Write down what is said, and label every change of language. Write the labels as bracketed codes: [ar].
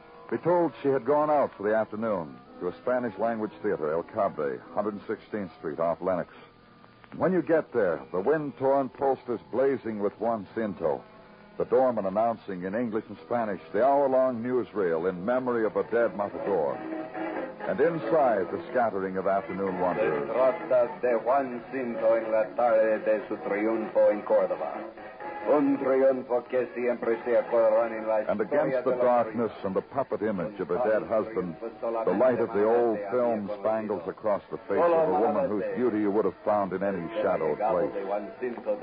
[en] Be told she had gone out for the afternoon to a Spanish language theater, El Cabre, 116th Street off Lenox. When you get there, the wind-torn posters blazing with Juan Cinto, the doorman announcing in English and Spanish the hour-long newsreel in memory of a dead matador. And inside, the scattering of afternoon wanderers. [es] Se trata de Juan Cinto en la tarde de su triunfo en Córdoba. [en] And against the darkness and the puppet image of a dead husband, the light of the old film spangles across the face of a woman whose beauty you would have found in any shadowed place.